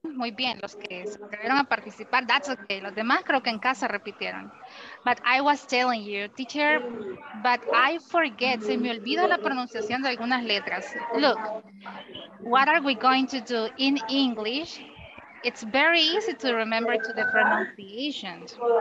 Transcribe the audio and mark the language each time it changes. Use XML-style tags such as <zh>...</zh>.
<es>Muy bien, los que se atrevieron a participar.</es> <en>That's okay.</en> <es>Los demás creo que en casa repitieron.</es> <en>But I was telling you, teacher, but I forget.</en> <es>Se me olvida la pronunciación de algunas letras.</es> <en>Look, what are we going to do in English? It's very easy to remember to the pronunciations.</en>